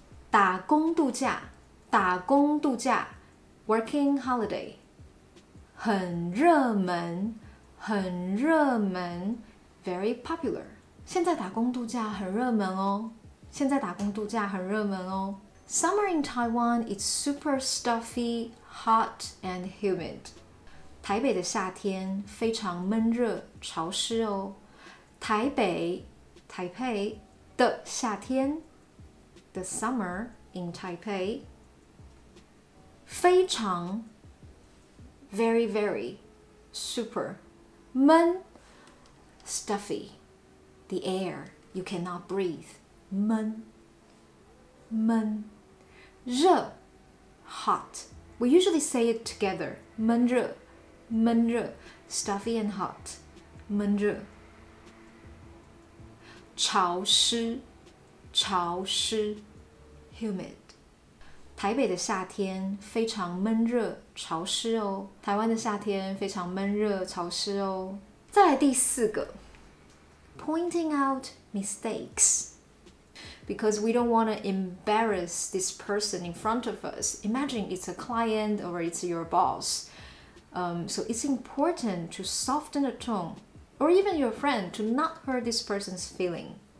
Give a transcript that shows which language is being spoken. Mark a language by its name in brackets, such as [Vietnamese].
[Chinese] 打工度假，打工度假 ， [English] working holiday. [Chinese] 很热门，很热门 ， [English] very popular。 [Chinese] 现在打工度假很热门哦。现在打工度假很热门哦。 [English] Summer in Taiwan is super stuffy, hot, and humid. [Chinese] 台北的夏天非常闷热、潮湿哦。台北，台北的夏天 ， [English] the summer in Taipei， [Chinese] 非常。 [English] Very, very, super, 闷 stuffy, the air, you cannot breathe, 闷闷热 hot. We usually say it together, 闷热闷热 stuffy and hot, 闷热潮湿潮湿 humid. [Chinese] 台北的夏天非常闷热潮湿哦。台湾的夏天非常闷热潮湿哦。再来第四个 [English] ，pointing out mistakes， because we don't want to embarrass this person in front of us. Imagine it's a client or it's your boss. So it's important to soften the tone, or even your friend to not hurt this person's feeling.